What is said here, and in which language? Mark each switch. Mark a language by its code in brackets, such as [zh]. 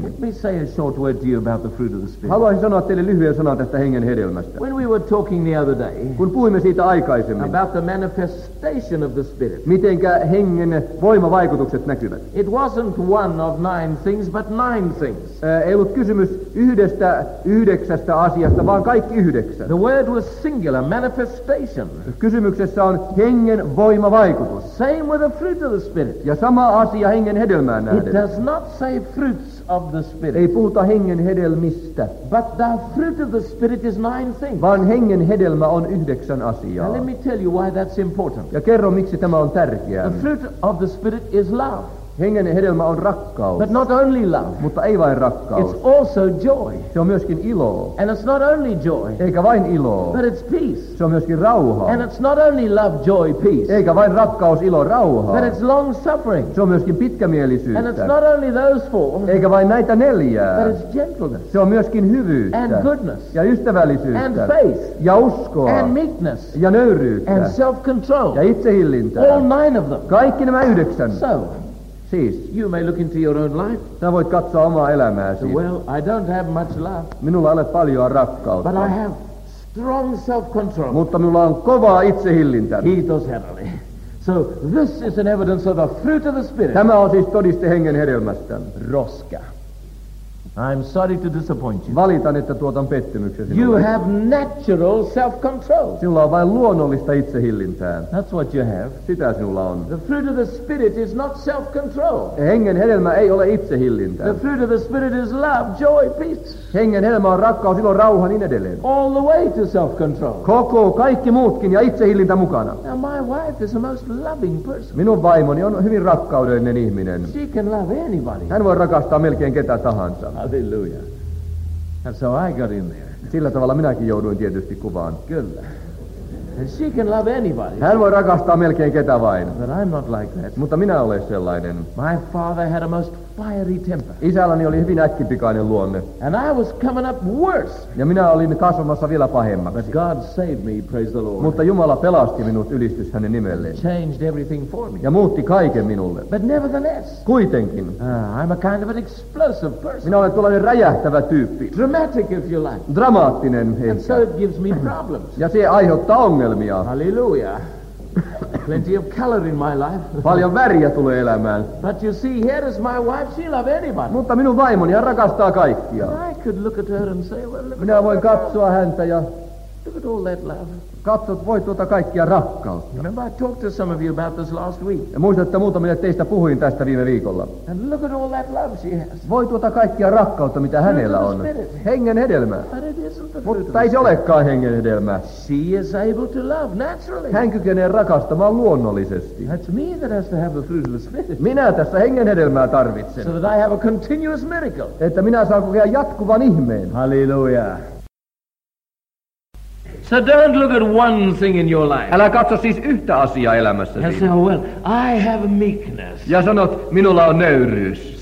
[en] Let me say a short word to you about the fruit of the spirit. [fi] Haluaisin sanoa teille lyhyen sanan tästä hengen hedelmästä. [en] When we were talking the other day. [fi] Kun puhuimme siitä aikaisemmin. [en] About the manifestation of the spirit. [fi] Mitenkä hengen voimavaikutukset näkyvät. [en] It wasn't one of nine things, but nine things. [fi] Ei ollut kysymys yhdestä. Yhdeksästä asiasta, vaan kaikki yhdeksän. [en] The word was singular, manifestation. [fi] Kysymyksessä on hengen voimavaikutus. [en] Same with the fruit of the spirit. [fi] Ja sama asia hengen hedelmään nähden. [en] It does not say fruits of the spirit. [fi] Ei puhuta hengen hedelmistä. [en] But the fruit of the spirit is nine things. [fi] Vaan hengen hedelmä on yhdeksän asiaa. [en] Now let me tell you why that's important. [fi] Ja kerro, miksi tämä on tärkeää. [en] The fruit of the spirit is love. [fi] Hengen hedelmä on rakkaus. [en] But not only love. [fi] Mutta ei vain rakkaus. [en] It's also joy. [fi] Se on myöskin ilo. [en] And it's not only joy. [fi] Eikä vain ilo. [en] But it's peace. [fi] Se on myöskin rauha. [en] And it's not only love, joy, peace. [fi] Eikä vain rakkaus, ilo, rauha. [en] But it's long suffering. [fi] Se on myöskin pitkämielisyyttä. [en] And it's not only those four. [fi] Eikä vain näitä neljää. [en] But it's gentleness. [fi] Se on myöskin hyvyyttä. [en] And goodness. [fi] Ja ystävällisyyttä. [en] And faith. [fi] Ja uskoa. [en] And meekness. [fi] Ja nöyryyttä. [en] And self-control. [fi] Ja itsehillintää. [en] All nine of them. [fi] Kaikki nämä yhdeksän. [en] So. You may look into your own life. [fi] Sä voit katsoa omaa elämääsi. [en] Well, I don't have much love. [fi] Minulla ei ole paljon rakkautta. [en] But I have strong self-control. [fi] Mutta minulla on kovaa itsehillintä. Kiitos Herralle. [en] So this is an evidence of the fruit of the spirit. [fi] Tämä on siis todiste hengen hedelmästä. [en] Roska. I'm sorry to disappoint you. [fi] Valitan, että tuotan pettymyksen sinulle. [en] You have natural self-control. [fi] Sinulla on vain luonnollista itsehillintää. [en] That's what you have. [fi] Sitä sinulla on. [en] The fruit of the spirit is not self-control. [fi] Hengen hedelmä ei ole itsehillintää. [en] The fruit of the spirit is love, joy, peace. [fi] Hengen hedelmä on rakkaus, ilo, rauha, niin edelleen. [en] All the way to self-control. [fi] Koko, kaikki muutkin ja itsehillintä mukana. [en] Now my wife is the most loving person. [fi] Minun vaimoni on hyvin rakkaudellinen ihminen. [en] She can love anybody. [fi] Hän voi rakastaa melkein ketä tahansa. [en] Hallelujah. And so I got in there. [fi] Sillä tavalla minäkin jouduin tietysti kuvaan. [en] Kyllä. And she can love anybody. [fi] Hän voi rakastaa melkein ketä vain. [en] But I'm not like that. [fi] Mutta minä olen sellainen. [en] My father had a most fiery temper. [fi] Isälläni oli hyvin äkkipikainen luonne. [en] And I was coming up worse. [fi] Ja minä olin kasvamassa vielä pahemmaksi. [en] But God saved me, praise the Lord. [fi] Mutta Jumala pelasti minut, ylistys hänen nimelleen. [en] Changed everything for me. [fi] Ja muutti kaiken minulle. [en] But nevertheless. [fi] Kuitenkin. [en] I'm a kind of an explosive person. [fi] Minä olen tuollainen räjähtävä tyyppi. [en] Dramatic, if you like. [fi] Dramaattinen. [en] And so it gives me problems. [fi] Ja se aiheuttaa ongelmia. [en] Hallelujah. Plenty of color in my life. [fi] Paljon väriä tulee elämään. [en] But you see, here is my wife. She loves anybody. [fi] Mutta minun vaimoni, hän rakastaa kaikkia. [en] I could look at her and say, well, look. [fi] Minä voin katsoa häntä ja. [en] Look at all that love. [fi] Katsot, voi tuota kaikkia rakkautta. [en] Remember, I talked to some of you about this last week. [fi] Ja muistat, että muutamille teistä puhuin tästä viime viikolla. [en] And look at all that love she has. [fi] Voi tuota kaikkia rakkautta, mitä [en] fruit [fi] hänellä on. Hengen hedelmä. Mutta ei se olekaan hengen hedelmä. [en] She is able to love naturally. [fi] Hän kykenee rakastamaan luonnollisesti. [en] That's me that has to have the fruit of the spirit. [fi] Minä tässä hengen hedelmää tarvitsen. [en] So that I have a continuous miracle. [fi] Että minä saan kokea jatkuvan ihmeen. [en] Hallelujah. So don't look at one thing in your life. [fi] Älä katso siis yhtä asiaa elämässäsi. [en] And so, well, I have meekness. [fi] Ja sanot, minulla on nöyryys.